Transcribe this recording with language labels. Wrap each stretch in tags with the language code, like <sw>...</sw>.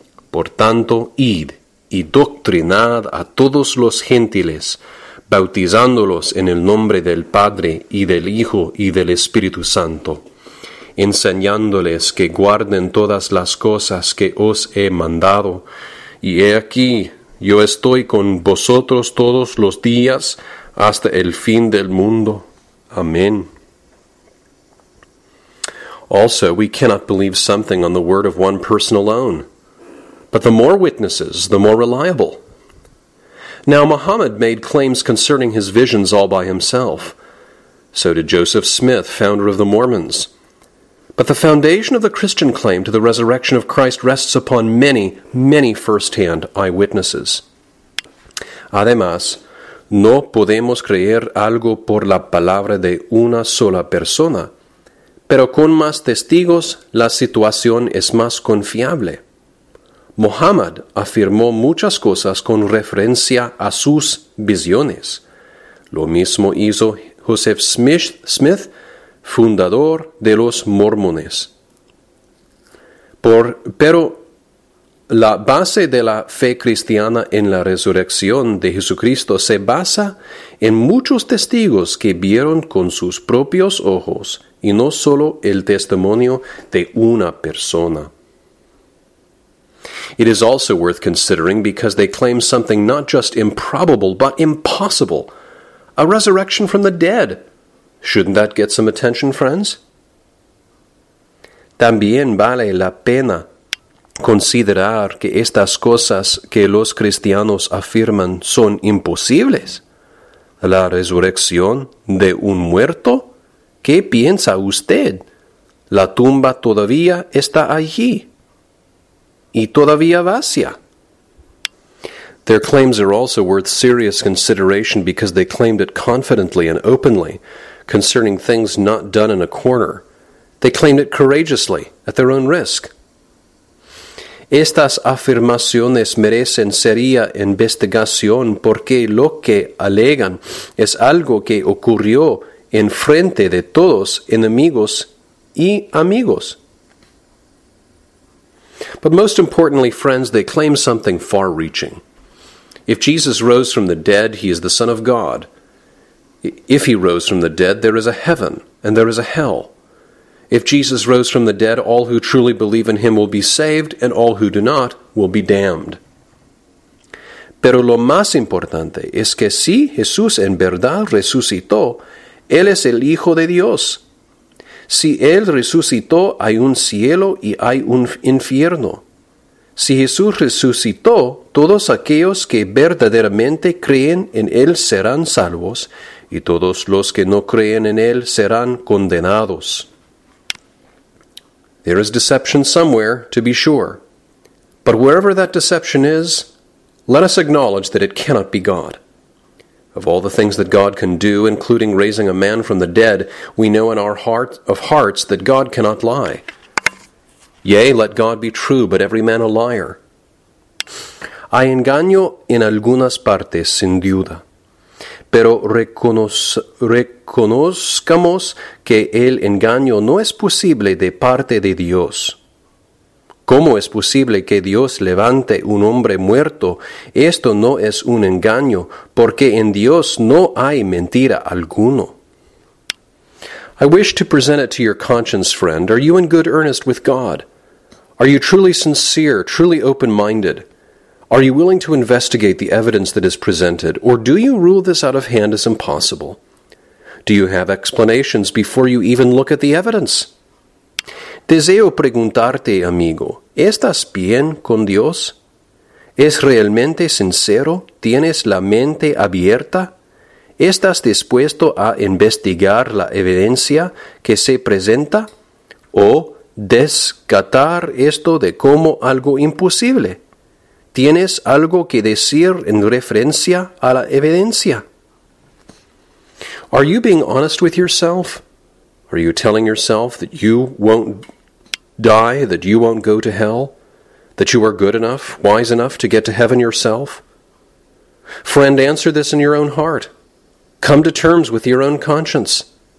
<es>Por tanto, id y doctrinad a todos los gentiles, bautizándolos en el nombre del Padre, y del Hijo, y del Espíritu Santo, enseñándoles que guarden todas las cosas que os he mandado. Y he aquí, yo estoy con vosotros todos los días, hasta el fin del mundo. Amén.</es> <en>Also, we cannot believe something on the word of one person alone, but the more witnesses, the more reliable. Now, Muhammad made claims concerning his visions all by himself. So did Joseph Smith, founder of the Mormons. But the foundation of the Christian claim to the resurrection of Christ rests upon many, many first-hand eyewitnesses.</en> <es>Además, no podemos creer algo por la palabra de una sola persona. Pero con más testigos, la situación es más confiable. Muhammad afirmó muchas cosas con referencia a sus visiones. Lo mismo hizo Joseph Smith, fundador de los mormones. Pero la base de la fe cristiana en la resurrección de Jesucristo se basa en muchos testigos que vieron con sus propios ojos y no solo el testimonio de una persona.</es> <en>It is also worth considering because they claim something not just improbable, but impossible. A resurrection from the dead. Shouldn't that get some attention, friends?</en> <es>También vale la pena considerar que estas cosas que los cristianos afirman son imposibles? ¿La resurrección de un muerto? ¿Qué piensa usted? La tumba todavía está allí y todavía vacía.</es> <en>Their claims are also worth serious consideration because they claimed it confidently and openly concerning things not done in a corner. They claimed it courageously, at their own risk.</en> <es>Estas afirmaciones merecen seria investigación porque lo que alegan es algo que ocurrió en frente de todos, enemigos y amigos.</es> <en>But most importantly, friends, they claim something far-reaching. If Jesus rose from the dead, he is the Son of God. If he rose from the dead, there is a heaven and there is a hell. If Jesus rose from the dead, all who truly believe in him will be saved, and all who do not will be damned.</en> <es>Pero lo más importante es que si Jesús en verdad resucitó, él es el Hijo de Dios. Si él resucitó, hay un cielo y hay un infierno. Si Jesús resucitó, todos aquellos que verdaderamente creen en él serán salvos, y todos los que no creen en él serán condenados.</es> <en>There is deception somewhere, to be sure. But wherever that deception is, let us acknowledge that it cannot be God. Of all the things that God can do, including raising a man from the dead, we know in our heart of hearts that God cannot lie. Yea, let God be true, but every man a liar.</en> <es>Hay engaño en algunas partes, sin duda. Pero reconozcamos que el engaño no es posible de parte de Dios. ¿Cómo es posible que Dios levante un hombre muerto? Esto no es un engaño, porque en Dios no hay mentira alguno.</es> <en>I wish to present it to your conscience, friend. Are you in good earnest with God? Are you truly sincere, truly open-minded? Are you willing to investigate the evidence that is presented, or do you rule this out of hand as impossible? Do you have explanations before you even look at the evidence?</en> <es>Deseo preguntarte, amigo, ¿estás bien con Dios? ¿Es realmente sincero? ¿Tienes la mente abierta? ¿Estás dispuesto a investigar la evidencia que se presenta? ¿O descartar esto de como algo imposible? ¿Tienes algo que decir en referencia a la evidencia?</es> <en>Are you being honest with yourself? Are you telling yourself that you won't die, that you won't go to hell, that you are good enough, wise enough to get to heaven yourself? Friend, answer this in your own heart. Come to terms with your own conscience.</en>